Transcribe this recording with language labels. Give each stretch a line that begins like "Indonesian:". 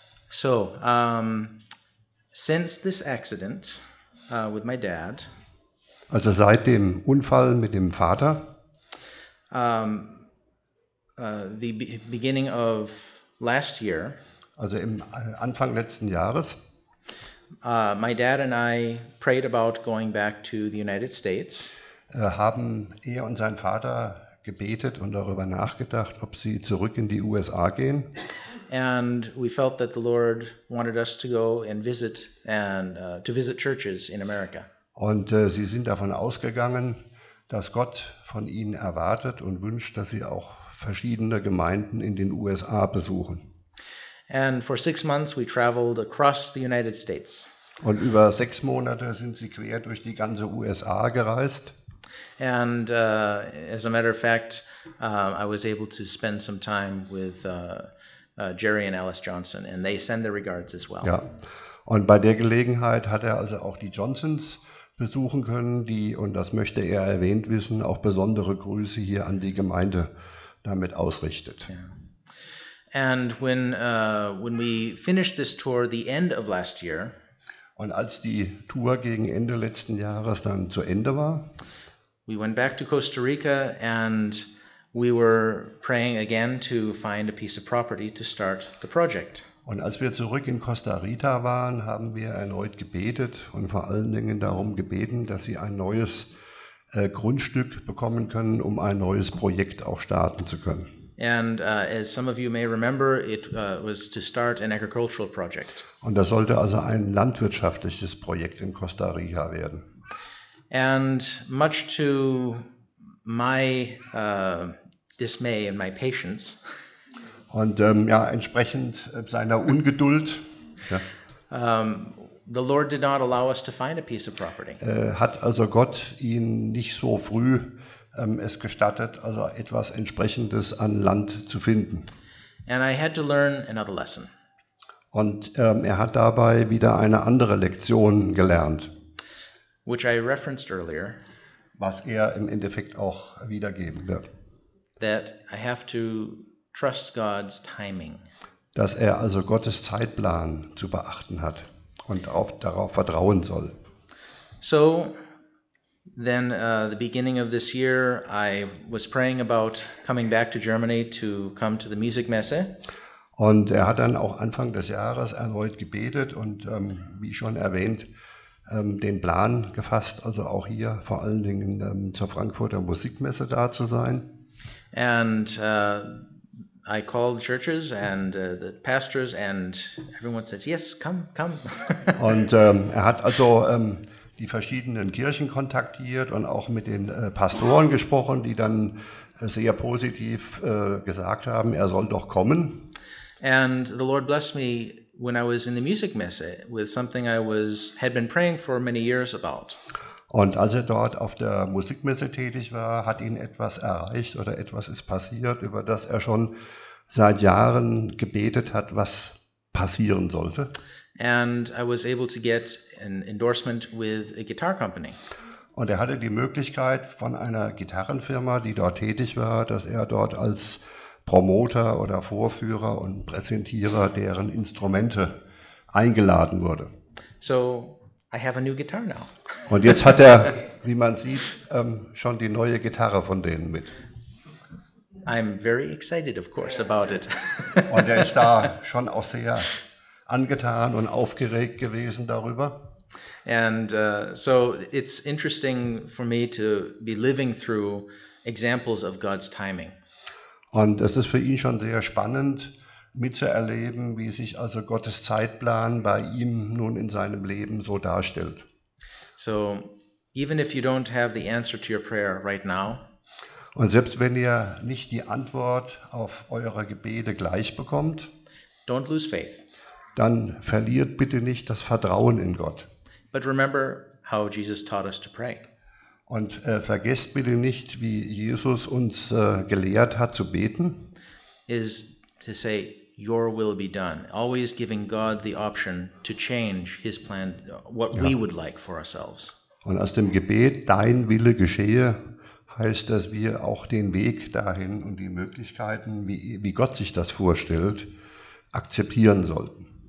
English: So, since this accident with my dad,
German: also seit dem Unfall mit dem Vater,
English: the beginning of last year,
German: also im Anfang letzten Jahres,
English: my dad and I prayed about going back to the United States.
German: Haben er und sein Vater gebetet und darüber nachgedacht, ob sie zurück in die USA gehen.
English: And we felt that the Lord wanted us to go and visit and to visit churches in America.
German: Und sie sind davon ausgegangen, dass Gott von ihnen erwartet und wünscht, dass sie auch verschiedene Gemeinden in den USA besuchen.
English: And for 6 months we traveled across the United States.
German: Und über 6 Monate sind sie quer durch die ganze USA gereist.
English: And as a matter of fact, I was able to spend some time with Jerry and Alice Johnson, and they send their regards as well.
German: Ja. Und bei der Gelegenheit hat er also auch die Johnsons besuchen können, die, und das möchte er erwähnt wissen, auch besondere Grüße hier an die Gemeinde damit ausrichtet.
English: Yeah. And when we finished this tour the end of last year,
German: und als die Tour gegen Ende letzten Jahres dann zu Ende war,
English: we went back to Costa Rica and we were praying again to find a piece of property to start the project.
German: Und als wir zurück in Costa Rica waren, haben wir erneut gebetet und vor allen Dingen darum gebeten, dass sie ein neues Grundstück bekommen können, um ein neues Projekt auch starten zu können.
English: And as some of you may remember, it was to start an agricultural project.
German: Und das sollte also ein landwirtschaftliches Projekt in Costa Rica werden.
English: And much to my dismay and my patience.
German: Und entsprechend seiner Ungeduld. Ja.
English: The Lord did not allow us to find a piece of property.
German: Hat also Gott ihn nicht so früh es gestattet, also etwas Entsprechendes an Land zu finden.
English: And I had to learn another lesson.
German: Und er hat dabei wieder eine andere Lektion gelernt,
English: which I referenced earlier,
German: was er im Endeffekt auch wiedergeben wird.
English: That I have to trust God's timing.
German: Dass er also Gottes Zeitplan zu beachten hat und darauf vertrauen soll.
English: So, then the beginning of this year, I was praying about coming back to Germany to come to the music messe.
German: Und er hat dann auch Anfang des Jahres erneut gebetet und wie schon erwähnt, den Plan gefasst, also auch hier vor allen Dingen zur Frankfurter Musikmesse da zu sein.
English: And I called churches and the pastors and everyone says, yes, come.
German: Und er hat also die verschiedenen Kirchen kontaktiert und auch mit den Pastoren gesprochen, die dann sehr positiv gesagt haben, er soll doch kommen.
English: And the Lord blessed me when I was in the music messe with something I had been praying for many years about.
German: Und als er dort auf der Musikmesse tätig war, hat ihn etwas erreicht oder etwas ist passiert, über das er schon seit Jahren gebetet hat, was passieren sollte.
English: And I was able to get an endorsement with a guitar company.
German: Und er hatte die Möglichkeit von einer Gitarrenfirma, die dort tätig war, dass er dort als Promoter oder Vorführer und Präsentierer deren Instrumente eingeladen wurde.
English: So, I have a new guitar now.
German: Und jetzt hat er, wie man sieht, schon die neue Gitarre von denen mit.
English: I'm very excited, of course, about it.
German: Und er ist da schon auch sehr angetan und aufgeregt gewesen darüber.
English: So it's interesting for me to be living through examples of God's timing.
German: Und das ist für ihn schon sehr spannend mitzuerleben, wie sich also Gottes Zeitplan bei ihm nun in seinem Leben so darstellt.
English: So even if you don't have the answer to your prayer right now,
German: und selbst wenn ihr nicht die Antwort auf eure Gebete gleich bekommt,
English: don't lose faith.
German: Dann verliert bitte nicht das Vertrauen in Gott.
English: But remember how Jesus taught us to pray.
German: Und vergesst bitte nicht, wie Jesus uns gelehrt hat zu beten.
English: Is to say, your will be done. Always giving God the option to change his plan, what we would like for ourselves.
German: Und aus dem Gebet, dein Wille geschehe, heißt, dass wir auch den Weg dahin und die Möglichkeiten, wie Gott sich das vorstellt, akzeptieren sollten.